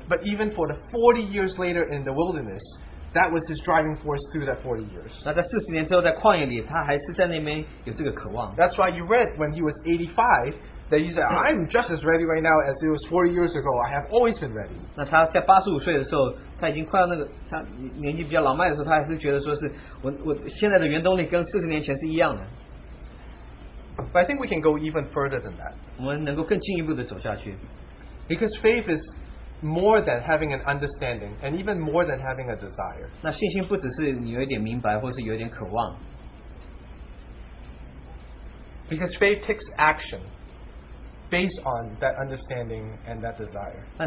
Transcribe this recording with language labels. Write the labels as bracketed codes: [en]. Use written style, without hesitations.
[en] But even for the 40 years later in the wilderness, that was his driving force through that 40 years. [zh] 那在40年之后在旷野里，他还是在那边有这个渴望。 [en] That's why you read when he was 85. That he said, I'm just as ready right now as it was 40 years ago. I have always been ready. [zh] 那他在85岁的时候，他已经快到那个他年纪比较老迈的时候，他还是觉得说是我现在的原动力跟40年前是一样的。 [en] But I think we can go even further than that. [zh] 我们能够更进一步的走下去。 [en] Because faith is more than having an understanding, and even more than having a desire. [zh] 那信心不只是你有一点明白，或是有点渴望。 [en] Because faith takes action based on that understanding and that desire.